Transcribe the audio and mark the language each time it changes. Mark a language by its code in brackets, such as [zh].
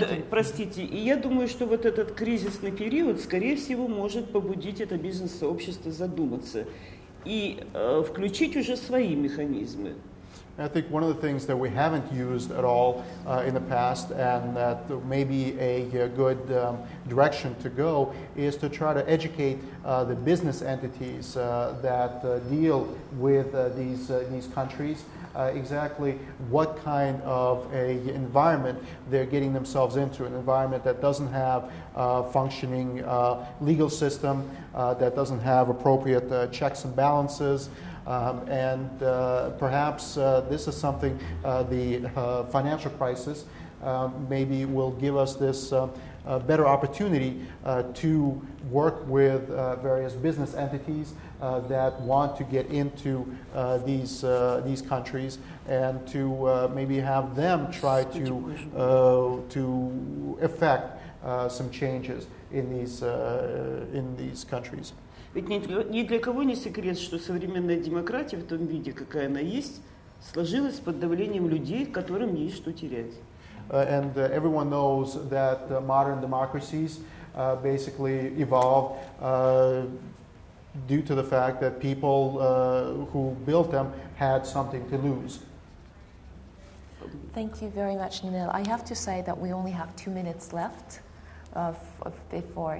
[ru] Простите, и я думаю, что вот этот кризисный период, скорее всего, может побудить это бизнес-сообщество задуматься и включить уже свои механизмы. [en] I think one of the things that we haven't used at all in the past and that may be a good direction to go is to try to educate the business entities that deal with these countries exactly what kind of a environment they're getting themselves into, an environment that doesn't have a functioning legal system, that doesn't have appropriate checks and balances. And perhaps this is something the financial crisis maybe will give us this better opportunity to work with various business entities that want to get into these countries and to maybe have them try to effect some changes in these countries. [ru] Ведь ни для кого не секрет, что современная демократия в том виде, какая она есть, сложилась под давлением людей, которым есть что терять. [en] And everyone knows that modern democracies basically evolved due to the fact that people who built them had something to lose. Thank you very much, Nil. I have to say that we only have 2 minutes left before.